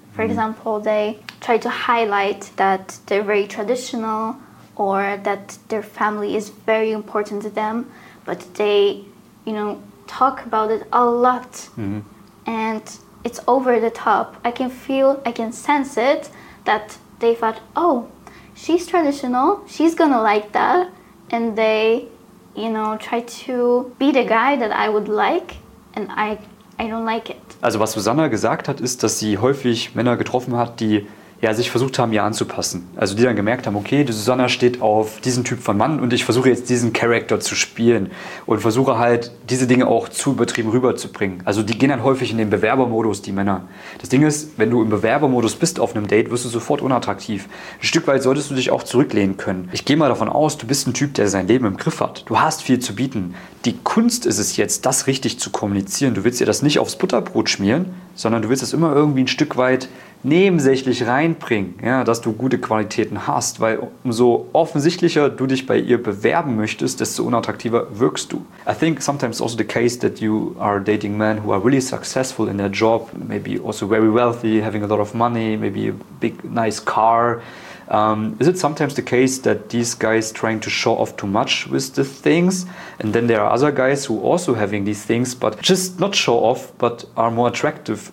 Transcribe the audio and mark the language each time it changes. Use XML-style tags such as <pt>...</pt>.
<en>For example, they try to highlight that they're very traditional or that their family is very important to them, but they, you know, talk about it a lot and it's over the top. I can feel, I can sense it, that they thought, oh, she's traditional, she's gonna like that, and they, you know, try to be the guy that I would like, and I don't like it.</en> <de>Also was Susanna gesagt hat, ist, dass sie häufig Männer getroffen hat, die ja sich versucht haben, ihr anzupassen. Also die dann gemerkt haben, okay, die Susanna steht auf diesen Typ von Mann und ich versuche jetzt diesen Charakter zu spielen und versuche halt, diese Dinge auch zu übertrieben rüberzubringen. Also die gehen dann häufig in den Bewerbermodus, die Männer. Das Ding ist, wenn du im Bewerbermodus bist auf einem Date, wirst du sofort unattraktiv. Ein Stück weit solltest du dich auch zurücklehnen können. Ich gehe mal davon aus, du bist ein Typ, der sein Leben im Griff hat. Du hast viel zu bieten. Die Kunst ist es jetzt, das richtig zu kommunizieren. Du willst ihr das nicht aufs Butterbrot schmieren, sondern du willst das immer irgendwie ein Stück weit nebensächlich reinbringen, ja, dass du gute Qualitäten hast, weil umso offensichtlicher du dich bei ihr bewerben möchtest, desto unattraktiver wirkst du.</de> <en>I think sometimes also the case that you are dating men who are really successful in their job, maybe also very wealthy, having a lot of money, maybe a big nice car. Is it sometimes the case that these guys trying to show off too much with the things, and then there are other guys who also having these things but just not show off but are more attractive?</en>